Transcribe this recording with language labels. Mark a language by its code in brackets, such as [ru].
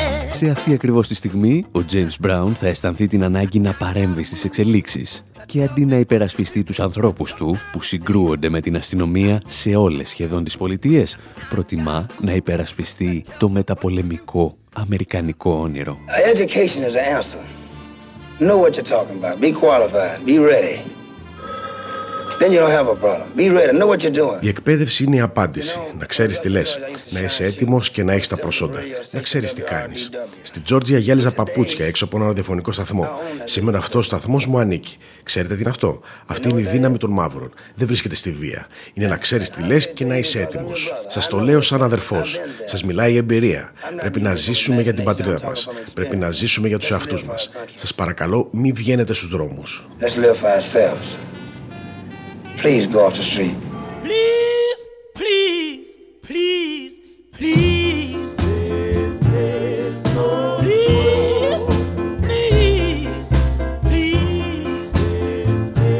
[el] Σε αυτή ακριβώς τη στιγμή, ο James Brown θα αισθανθεί την ανάγκη να παρέμβει στις εξελίξεις και αντί να υπερασπιστεί τους ανθρώπους του που συγκρούονται με την αστυνομία σε όλες σχεδόν τις πολιτείες, προτιμά να υπερασπιστεί το μεταπολεμικό αμερικανικό όνειρο. [en] Education is the answer. Know what you're talking about. Be qualified. Be ready. Then you don't have a problem. Be ready. Know what you're doing. [el] Η εκπαίδευση είναι η απάντηση. Να ξέρεις τι λες. Να είσαι έτοιμος και να έχεις τα προσόντα. Να ξέρεις τι κάνεις. Στη Τζόρτζια γυάλιζα παπούτσια έξω από ένα ραδιοφωνικό σταθμό. Σήμερα αυτός ο σταθμός μου ανήκει. Ξέρετε τι είναι αυτό. Αυτή είναι η δύναμη των μαύρων. Δεν βρίσκεται στη βία. Είναι να ξέρεις τι λες και να είσαι έτοιμος. Σας το λέω σαν αδερφός. Σας μιλάει η εμπειρία. Πρέπει να ζήσουμε για την πατρίδα μας. Πρέπει να ζήσουμε για τους εαυτούς μας. Σας παρακαλώ, μη βγαίνετε στους δρόμους. [en] Please go off the street. Please, please, please, please. Go home. Please, please, please,